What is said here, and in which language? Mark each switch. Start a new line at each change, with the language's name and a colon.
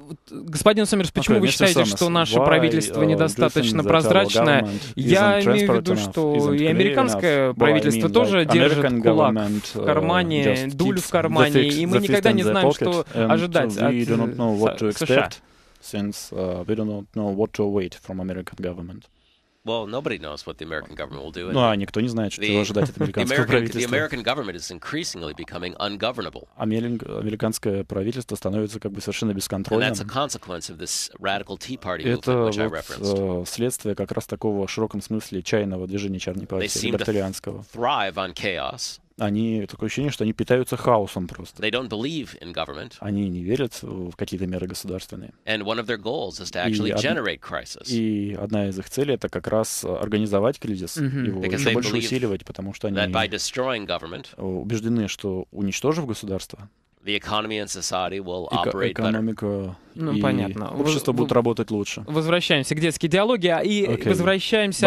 Russian: Господин Сомерс, почему вы считаете, что наше правительство недостаточно прозрачное? Я имею в виду, что и американское правительство тоже держит кулак в кармане, дуль в кармане, и мы никогда не знаем, что ожидать от США.
English: We don't know what to await from American government. Well, nobody knows what the American government will do.
Russian: Ну, а никто не знает, что ожидать от американского правительства.
English: The American government is increasingly becoming ungovernable.
Russian: Американское правительство становится как бы совершенно бесконтрольным.
English: And that's a consequence of this radical Tea Party movement, which I referenced.
Russian: Это следствие как раз такого в широком смысле чайного движения Черной партии, либертарианского.
English: They thrive on chaos.
Russian: Они, такое ощущение, что они питаются хаосом просто.
English: They don't believe in government.
Russian: Они не верят в какие-то меры государственные.
English: And one of their goals is to actually generate crisis.
Russian: И одна из их целей — это как раз организовать кризис, его еще больше усиливать, потому что они
English: that by destroying government,
Russian: убеждены, что уничтожив государство,
English: the economy and society will operate
Russian: экономика
English: better.
Russian: И общество будут работать лучше. Возвращаемся к детской идеологии, и возвращаемся